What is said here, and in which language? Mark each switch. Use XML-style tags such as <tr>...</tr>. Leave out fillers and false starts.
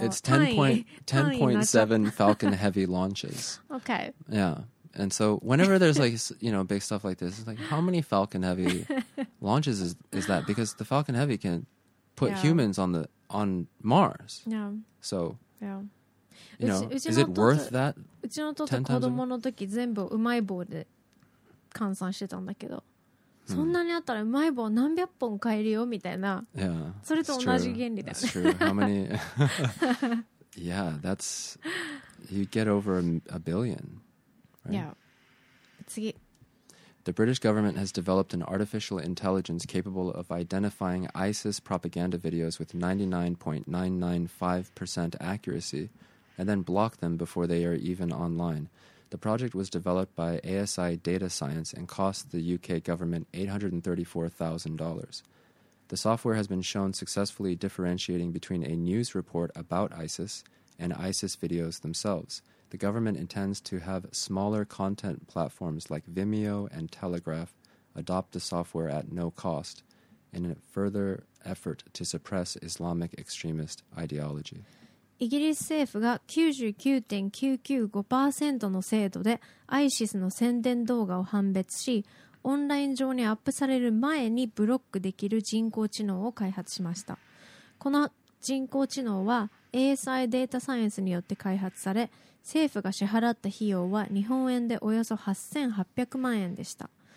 <en>It's 10.7 Falcon Heavy launches. Okay. Yeah. And so whenever there's like, you know, big stuff like this, it's like how many Falcon Heavy launches is that? Because the Falcon Heavy can put humans on Mars. Yeah. So. Yeah.</en> <ja>うちの弟子供の時全部うまい棒で換算してたんだけど、そんなにあったらうまい棒何百本買えるよみたいな。</ja> <en>Yeah,</en> <ja>それと同じ原理だよね。</ja> <en>That's true. How many? Yeah, that's you get over a billion. Right? Yeah.</en> <ja>次。</ja> <en>The British government has developed an artificial intelligence capable of identifying ISIS propaganda videos with 99.995% accuracy. And then block them before they are even online. The project was developed by ASI Data Science and cost the UK government $834,000. The software has been shown successfully differentiating between a news report about ISIS and ISIS videos themselves. The government intends to have smaller content platforms like Vimeo and Telegraph adopt the software at no cost in a further effort to suppress Islamic extremist ideology.</en> <ja>イギリス政府が 99.995% の精度で ISIS の宣伝動画を判別し、オンライン上にアップされる前にブロックできる人工知能を開発しました。この人工知能は ASI データサイエンスによって開発され、政府が支払った費用は日本円でおよそ8800万円でした。</ja>